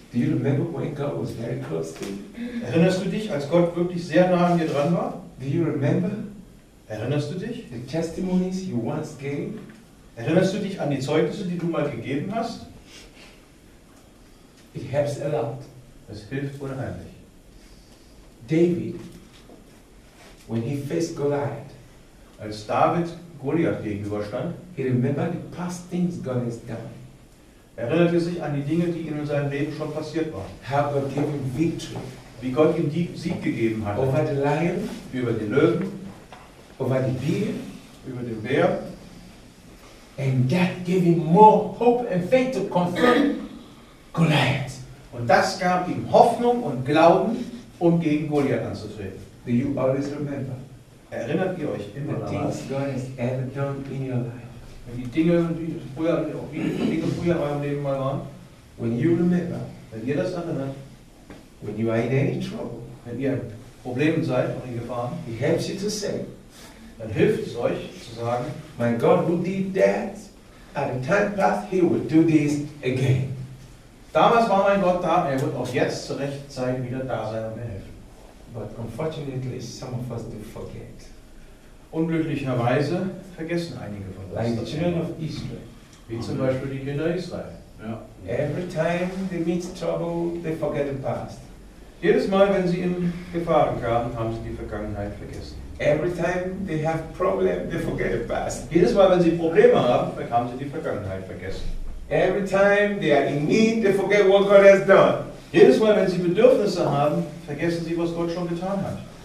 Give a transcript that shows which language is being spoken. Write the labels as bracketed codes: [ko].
[en] Do you remember when God was very close to you? [de] Erinnerst du dich, als Gott wirklich sehr nah an dir dran war? [en] Do you remember? [de] Erinnerst du dich? [en] The testimonies you once gave? [de] Erinnerst du dich an die Zeugnisse, die du mal gegeben hast? [en] It helps a lot. [de] Es hilft unheimlich. [en] David, when he faced Goliath, [de] als David Goliath gegenüberstand, [en] he remembered the past things God has done. [de] Erinnerte sich an die Dinge, die ihm in seinem Leben schon passiert waren. [en] How God gave him victory. [de] Wie Gott ihm den Sieg gegeben hatte. [en] Over the lion. [de] Über den Löwen. [en] Over the bear. [de] Über den Bär. [en] And that gave him more hope and faith to confront Goliath. [de] Und das gab ihm Hoffnung und Glauben, um gegen Goliath anzutreten. [en] Do you always remember? [de] Erinnert ihr euch immer [en] the things God has ever done in your life? [de] Wenn die Dinge, die Dinge früher in eurem Leben mal waren, [en] when you remember, [de] wenn ihr das erinnert, [en] when you are in any trouble, [de] wenn ihr Problemen seid und in Gefahr, [en] it helps you to say, [de] dann hilft es euch zu sagen, [en] my God who did that at the time past, he will do this again. [de] Damals war mein Gott da, er wird auch jetzt zur rechten Zeit wieder da sein und mir helfen. [en] But unfortunately, some of us do forget. [de] Unglücklicherweise vergessen einige von uns. [en] Like the children of Israel. [de] Wie zum Beispiel die Kinder Israel. Yeah. [en] Every time they meet trouble, they forget the past. [de] Jedes Mal, wenn sie in Gefahren kamen, haben sie die Vergangenheit vergessen. [en] Every time they have problem, they forget the past. [de] Jedes Mal, wenn sie Probleme haben, haben sie die Vergangenheit vergessen. [en] Every time they are in need, they forget what God has done. [de] Jedes Mal, wenn sie Bedürfnisse haben, vergessen sie, was Gott schon getan hat.